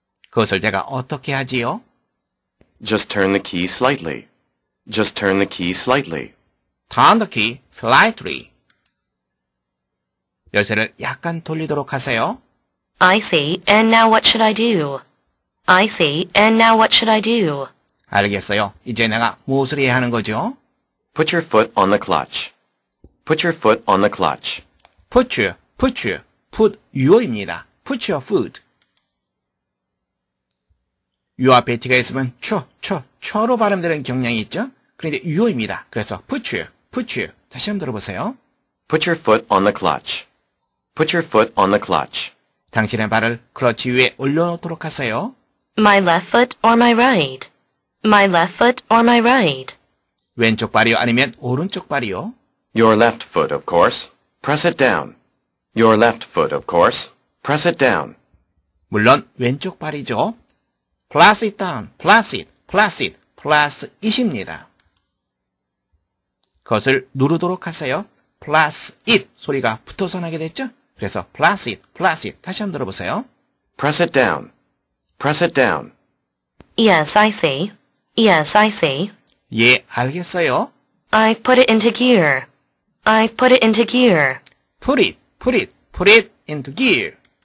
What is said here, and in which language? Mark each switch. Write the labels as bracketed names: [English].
[Korean] 그것을 제가 어떻게 하지요? [English] Just turn the key slightly. Just turn the key slightly. Turn the key slightly. [Korean] 열쇠를 약간 돌리도록 하세요. [English] I see. And now what should I do? I see. And now what should I do? [Korean] 알겠어요. 이제 내가 무엇을 해야 하는 거죠? [English] Put your foot on the clutch. Put your foot on the clutch. Put your, put your, put your입니다. Put your foot. [Korean] You 앞에 T가 있으면 쳐, 쳐, 쳐로 발음되는 경향이 있죠? 그런데 you입니다. 그래서 [English] put you, put you. [Korean] 다시 한번 들어보세요. [English] Put your foot on the clutch. Put your foot on the clutch. [Korean] 당신의 발을 클러치 위에 올려놓도록 하세요. [English] My left foot or my right. My left foot or my right. [Korean] 왼쪽 발이요 아니면 오른쪽 발이요? [English] Your left foot, of course. Press it down. Your left foot, of course. Press it down. [Korean] 물론 왼쪽 발이죠. [English] Press it down. Press it. Press it. Press it입니다. [Korean] 그것을 누르도록 하세요. [English] Press it. [Korean] 소리가 붙어서 나게 됐죠? 그래서 [English] press it. Press it. [Korean] 다시 한번 들어보세요. [English] Press it down. Press it down. Yes, I see. Yes, I see. [Korean] 예, 알겠어요. [English] I've put it into gear. I've put it into gear. Put it, put it, put it into gear.